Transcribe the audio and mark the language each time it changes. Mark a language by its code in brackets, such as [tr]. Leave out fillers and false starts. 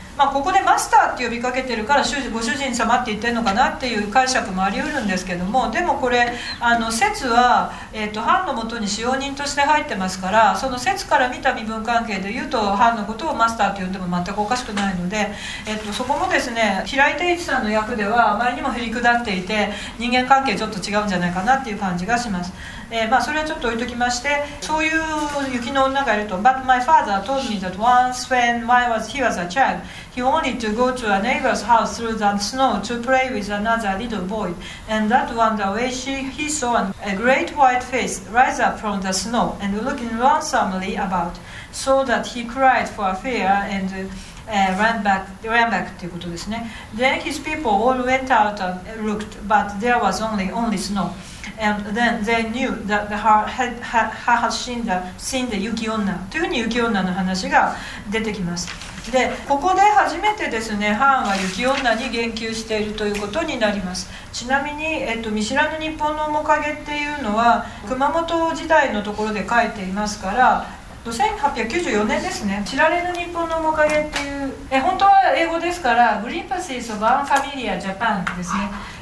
[ja] まあ、ここでマスターって呼びかけてるからご主人様って言ってるのかなっていう解釈もあり得るんですけども、でもこれあの説は、藩のもとに使用人として入ってますからその説から見た身分関係で言うと藩のことをマスターって呼んでも全くおかしくないので、そこもですね平井太一さんの役ではあまりにも振り下っていて人間関係ちょっと違うんじゃないかなっていう感じがします。まあ、それはちょっと置いときまして、そういう雪の女がいると。 [en] But my father told me that once when he was a child he wanted to go to a neighbor's house through the snow to play with another little boy and that one the way he saw a great white face rise up from the snow and looking lonesomely about so that he cried for fear andran back [ja] っていうことですね。 [en] Then his people all went out and looked but there was only snowAnd then they knew that her had seen the 雪女 [ja] というふうに雪女の話が出てきます。でここで初めてですね藩は雪女に言及しているということになります。ちなみに、見知らぬ日本の面影っていうのは熊本時代のところで書いていますから1894年ですね。知られぬ日本の面影っていう本当は英語ですから Glimpses of Unfamiliar Japan ですね。